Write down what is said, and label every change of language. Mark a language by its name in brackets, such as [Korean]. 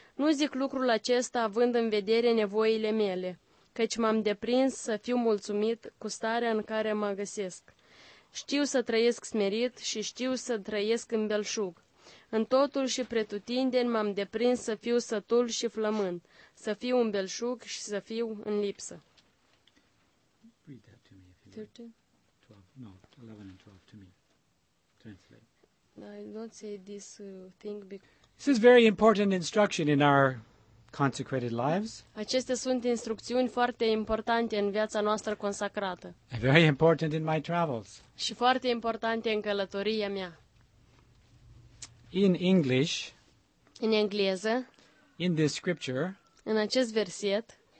[Romanian] Nu zic lucrul acesta având în vedere nevoile mele, căci m-am deprins să fiu mulțumit cu starea în care mă găsesc. Știu să trăiesc smerit și știu să trăiesc în belșug. În totul și pretutindeni m-am deprins să fiu sătul și flămând, să fiu în belșug și să fiu în lipsă. [English] Read that to me if you 11 and 12 to me. Translate. I don't say this thing because this is very important instruction in our consecrated lives. [Romanian] Acestea sunt instrucțiuni foarte importante în viața noastră consacrată. [English] And very important in my travels. [Romanian] Și foarte importante în călătoria mea. [English] In English. [Romanian] În engleză. [English] In this scripture. [Romanian] În acest verset.